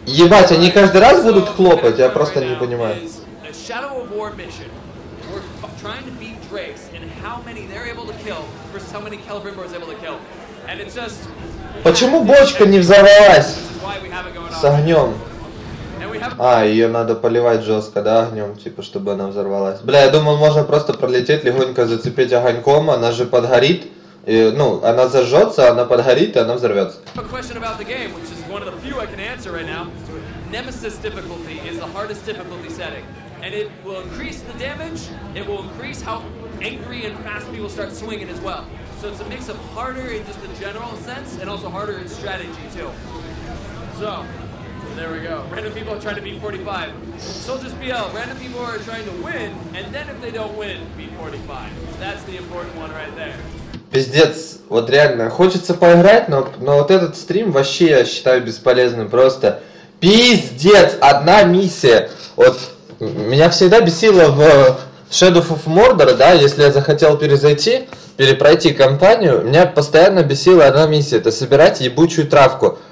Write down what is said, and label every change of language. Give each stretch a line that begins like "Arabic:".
Russian: ебать, они каждый раз будут хлопать, я просто не понимаю.
English: Shadow of War mission. We're trying to beat Drakes and how many they're able to kill versus how many Celebrimbor is able to kill. And it's just...
Russian: Почему бочка не взорвалась? С огнем. А, ее надо поливать жестко, да, огнем, типа, чтобы она взорвалась. Бля, я думал, можно просто пролететь, легонько зацепить огоньком, она же подгорит. И, ну, она зажжется, она подгорит, и она взорвется.
English: I have a question about the game, which is one of the few I can answer right now. Nemesis difficulty is the hardest difficulty setting. And it will increase the damage, it will increase how angry and fast people start swinging as well. So it's a mix of harder in just the general sense, and also harder in strategy too. So, there we go. Random people are trying to beat 45. Soldiers BL, random people are trying to win, and then if they don't win, beat 45. That's the important one right there.
Russian: Пиздец, вот реально, хочется поиграть, но вот этот стрим вообще я считаю бесполезным, просто пиздец, одна миссия, вот... Меня всегда бесило в Shadow of Mordor, да, если я захотел перепройти кампанию, меня постоянно бесила одна миссия, это собирать ебучую травку.